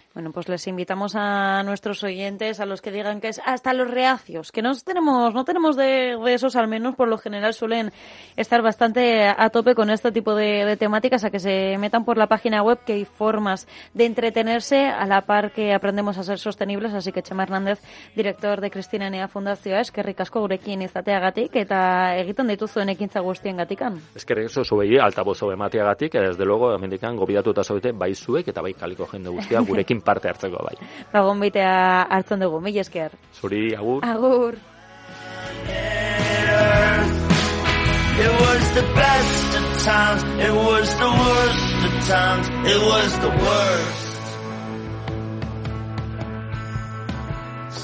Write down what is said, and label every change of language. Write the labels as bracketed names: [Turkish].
[Spanish] Bueno, pues les invitamos a nuestros oyentes, a los que digan que es hasta los reacios, que no tenemos de esos, al menos por lo general suelen estar bastante a tope con este tipo de temáticas, a que se metan por la página web, que hay formas de entretenerse a la par que aprendemos a ser sostenibles. Así que Txema Hernández, director de Cristina Enea Fundazioa, [Basque] eskerrik asko gurekin izateagatik eta egiten dituzuen ekintza guztiengatik. Eskerrik asko zuei altavoz hobe emateagatik, eta [Spanish] desde luego [Basque] hemendikan gobidatuta zaudete bai zuek eta bai kaliko jende guztia gurekin parte hartzeko bai. Ba, gonbitea hartzen dugu, mil esker. Zuri, agur. Agur. [English] It was the best of times, it was the worst of times, it was the worst.